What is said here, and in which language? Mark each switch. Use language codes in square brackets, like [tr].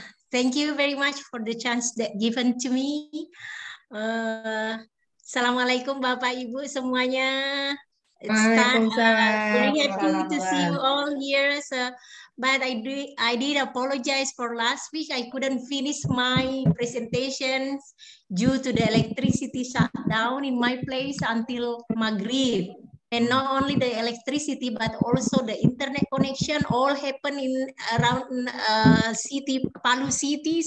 [en] Thank you very much for the chance that given to me. [id] Assalamualaikum Bapak Ibu semuanya. Waalaikumsalam. [en] Very happy to see you all here. So, but I did apologize for last week. I couldn't finish my presentations due to the electricity shutdown in my place until Maghrib. And not only the electricity, but also the internet connection all happened in around city, Palu City.